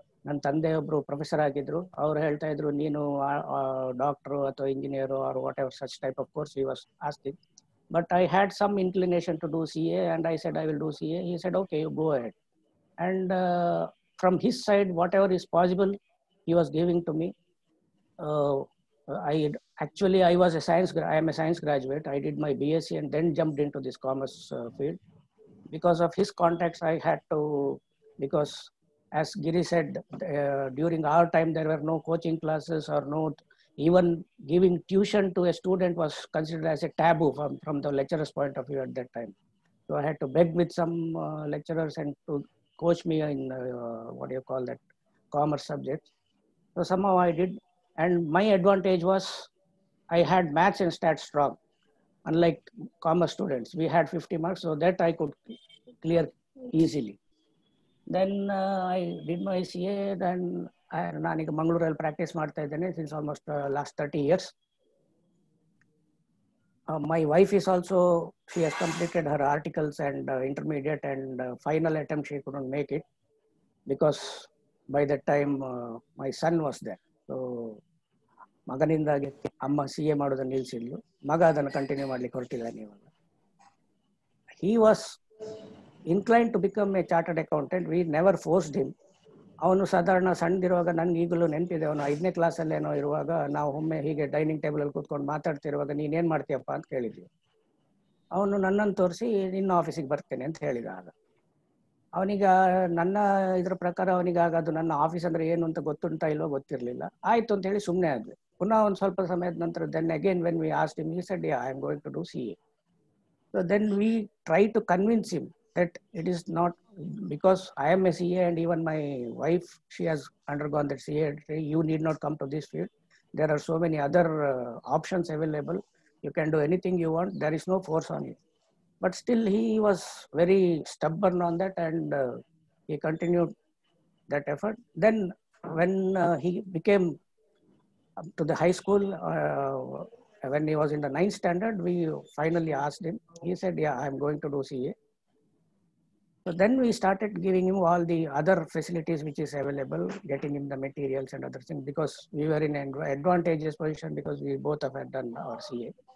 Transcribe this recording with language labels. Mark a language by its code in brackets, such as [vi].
[kn] ನನ್ನ ತಂದೆ ಒಬ್ರು ಪ್ರೊಫೆಸರ್ ಆಗಿದ್ರು, ಅವ್ರು ಹೇಳ್ತಾ ಇದ್ರು ನೀನು ಡಾಕ್ಟರ್ ಅಥವಾ engineer [en] Or whatever such type of course you was asking. But I had some inclination to do C A and I said I will do C A. He said okay you go ahead and from his side whatever is possible he was giving to me. I was a science, I am a science graduate. I did my BSc and then jumped into this commerce field. Because of his contacts, I had to, because as Giri said, during our time, there were no coaching classes or no, even giving tuition to a student was considered as a taboo from the lecturer's point of view at that time. So I had to beg with some lecturers and to coach me in, what do you call that, commerce subjects. So somehow I did. And my advantage was I had maths and stats strong, unlike commerce students. We had 50 marks, so that I could clear easily. Then I did my CA, then I [kn] nanig Mangalore alli practice martta idene [en] since almost last 30 years. My wife is also, she has completed her articles and intermediate and final attempt, she couldn't make it because by that time my son was there. [kn] So ಮಗನಿಂದಾಗಿ ಅಮ್ಮ C A ಮಾಡೋದನ್ನ ನಿಲ್ಲಿಸಿದ್ಲು, ಮಗ ಅದನ್ನು continue ಮಾಡ್ಲಿಕ್ಕೆ ಹೊರಟಿಲ್ಲ. ನೀವಲ್ಲ, [en] He was incline to become a chartered accountant, we never forced him. [kn] ಅವನು ಸಾಧಾರಣ ಸಣ್ಣದಿರುವಾಗ ನನ್ಗೆ ಈಗಲೂ ನೆನಪಿದೆ, ಅವನು 5ನೇ ಕ್ಲಾಸಲ್ಲಿ ಏನೋ ಇರುವಾಗ ನಾವು ಒಮ್ಮೆ ಹೀಗೆ ಡೈನಿಂಗ್ ಟೇಬಲಲ್ಲಿ ಕೂತ್ಕೊಂಡು ಮಾತಾಡ್ತಿರುವಾಗ ನೀನೇನು ಮಾಡ್ತೀಯಪ್ಪ ಅಂತ ಕೇಳಿದ್ವಿ. ಅವನು ನನ್ನನ್ನು ತೋರಿಸಿ ನಿನ್ನ ಆಫೀಸಿಗೆ ಬರ್ತೇನೆ ಅಂತ ಹೇಳಿದ. ಆಗ ಅವನಿಗ ನನ್ನ ಇದ್ರ ಪ್ರಕಾರ ಅವನಿಗಾಗ ಅದು ನನ್ನ ಆಫೀಸ್ ಅಂದ್ರೆ ಏನು ಅಂತ ಗೊತ್ತುಂಟಾ ಇಲ್ವೋ ಗೊತ್ತಿರಲಿಲ್ಲ. ಆಯ್ತು ಅಂತ ಹೇಳಿ ಸುಮ್ಮನೆ ಆದ್ವಿ. ಪುನಃ ಒಂದು ಸ್ವಲ್ಪ ಸಮಯದ ನಂತರ [en] Then again when we ask him, he said yeah I am going to do C A. So then we try to convince him that it is not, because I am a C A and even my wife she has undergone that C A, you need not come to this field, there are so many other options available, you can do anything you want, there is no force on it. But still he was very stubborn on that and he continued that effort. Then when he became to the high school, when he was in the 9th standard, we finally asked him. He said, yeah, I'm going to do CA. So then we started giving him all the other facilities which is available, getting him the materials and other things, because we were in an advantageous position because we both have done our CA.